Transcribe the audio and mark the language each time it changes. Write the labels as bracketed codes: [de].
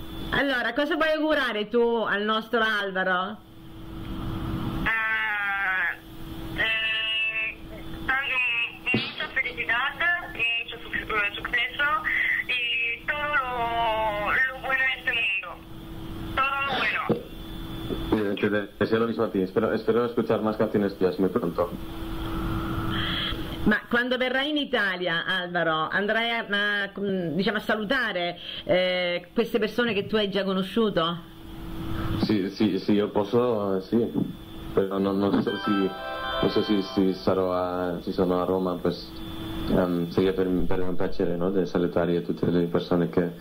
[it] Allora, cosa vuoi augurare tu al nostro Alvaro? Molta felicità, molto successo e tutto lo buono in questo mondo. Tutto lo buono. [es] Te deseo lo mismo a ti, espero escuchar más canciones tuyas muy pronto. [it] Ma quando verrai in Italia, Alvaro, andrai a salutare queste persone che tu hai già conosciuto? Sì, io posso, sì, però non so se sarò sono a Roma, pues, sarebbe per un piacere, no, di salutare tutte le persone che